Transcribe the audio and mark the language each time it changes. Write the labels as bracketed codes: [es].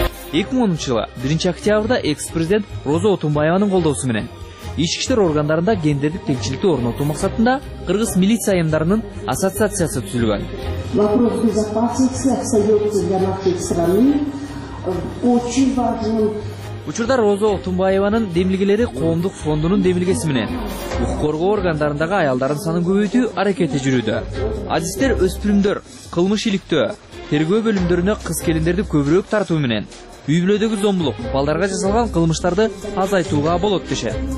[ky] Эки миң онунчу жылы 1-октябрда экс-президент Роза Отунбаеванын колдоосу менен Ички иштер органдарында гендердик теңчиликти орнотуу максатында кыргыз милиция айымдарынын ассоциациясы түзүлгөн. [ru] Вопрос безопасности остается для нашей страны очень важным. [ky] Учурда Роза Отунбаеванын демилгелери коомдук фондунун демилгеси менен. Укук коргоо органдарындагы аялдардын санын көбөйтүү аракети жүрүүдө. Адистер өспүрүмдөр, кылмыш иликтөө, тергөө бөлүмдөрүнө кыз келиндерди көбүрөөк тартуу менен үй бүлөдөгү зомбулук, балдарга жасалган кылмыштарды азайтууга болот дешет.